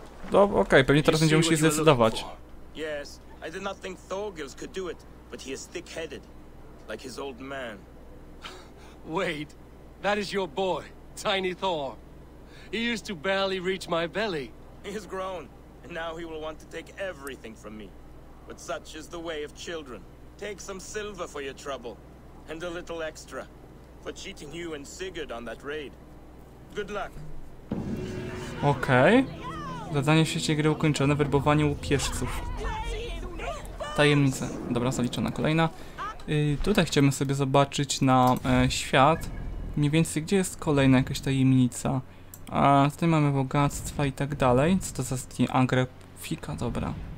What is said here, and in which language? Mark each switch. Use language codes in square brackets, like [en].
[pl] Dobra, okej, pewnie teraz będziemy musieli zdecydować. [en] Yes, I did not think Thorgils could do it, but he is thick-headed, like his old man. Wait, that is your boy, Tiny Thor. He used to barely reach my belly. He has grown, and now he will want to take everything from me. But such is the way of children. Take some silver for your trouble, and a little extra, for cheating you and Sigurd on that raid. Good luck. [pl] Okej. Zadanie w świecie gry ukończone, werbowanie łupieżców. Tajemnice. Dobra, zaliczona kolejna. Tutaj chcemy sobie zobaczyć na świat. Mniej więcej, gdzie jest kolejna jakaś tajemnica? A tutaj mamy bogactwa i tak dalej. Co to za skin? Agrafika, dobra.